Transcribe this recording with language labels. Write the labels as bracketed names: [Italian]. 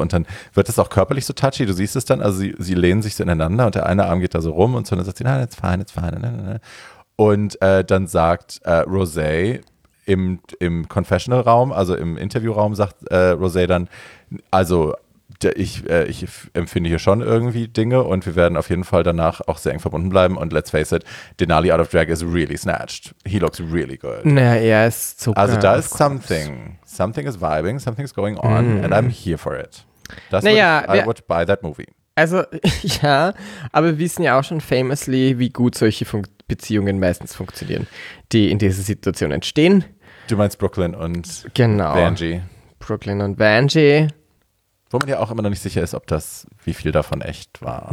[German] Und dann wird es auch körperlich so touchy, du siehst es dann, also sie lehnen sich so ineinander und der eine Arm geht da so rum und so, und dann sagt sie, nein, [English] it's fine. [German] Und dann sagt Rosé im Confessional-Raum, also im Interviewraum, sagt Rosé dann, also ich empfinde hier schon irgendwie Dinge und wir werden auf jeden Fall danach auch sehr eng verbunden bleiben. [English] Und let's face it, Denali out of drag is really snatched. He looks really good. [German] Naja, er ist Zucker. Also da ist something. [English] Something is vibing, something is going on and I'm here for it. [German] Das naja, [English] I would buy that movie. [German] Also ja, aber wir wissen ja auch schon famously, wie gut solche Beziehungen meistens funktionieren, die in dieser Situation entstehen. Du meinst Brooklyn und genau. Vanjie. Brooklyn und Vanjie. Wo man ja auch immer noch nicht sicher ist, ob das, wie viel davon echt war.